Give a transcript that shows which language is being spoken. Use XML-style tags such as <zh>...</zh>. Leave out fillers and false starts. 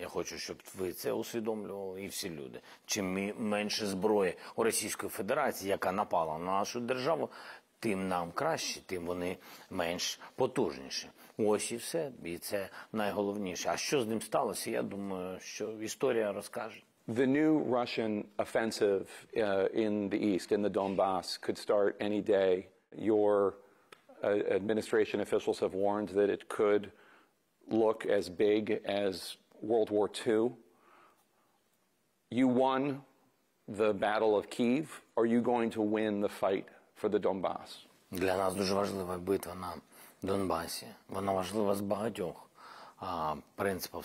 <uk>Я хочу, щоб ви це усвідомлювали і всі люди. Чим менше зброї у Російської Федерації, яка напала на нашу державу, тим нам краще, тим вони менш потужніші. Ось і все. І це найголовніше. А що з ним сталося? Я думаю, що історія розкаже.</uk> <en>The new Russian offensive in the east, in the Donbas, could start any day. Your administration officials have warned that it could look as big as World War II. You won the Battle of Kyiv. Are you going to win the fight for the Donbas?</en> <uk>Для нас дуже важлива битва на Донбасі. Вона важлива з багатьох принципів.</uk>